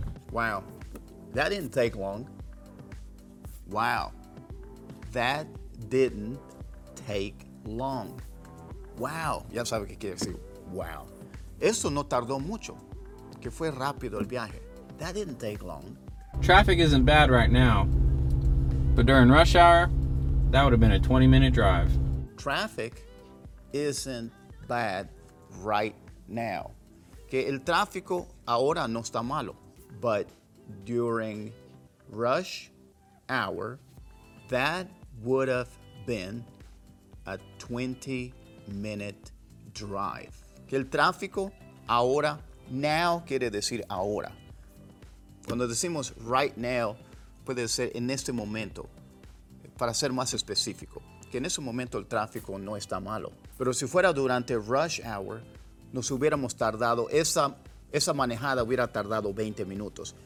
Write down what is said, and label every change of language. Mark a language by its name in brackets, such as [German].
[English] Wow, that didn't take long. Wow, that didn't take long. [Spanish] Wow, ya sabes qué quiere decir. Wow. Eso no tardó mucho, que fue rápido el viaje. [English] That didn't take long. Traffic isn't bad right now, but during rush hour, that would have been a 20-minute drive. Traffic isn't bad right now. [Spanish] Que el tráfico ahora no está malo. [English] But during rush hour, that would have been a 20-minute drive. [Spanish] Que el tráfico ahora, now quiere decir ahora. Cuando decimos [English] right now, [Spanish] puede ser en este momento. Para ser más específico, que en ese momento el tráfico no está malo. Pero si fuera durante [English] rush hour, [Spanish] nos hubiéramos tardado, esa manejada hubiera tardado 20 minutos.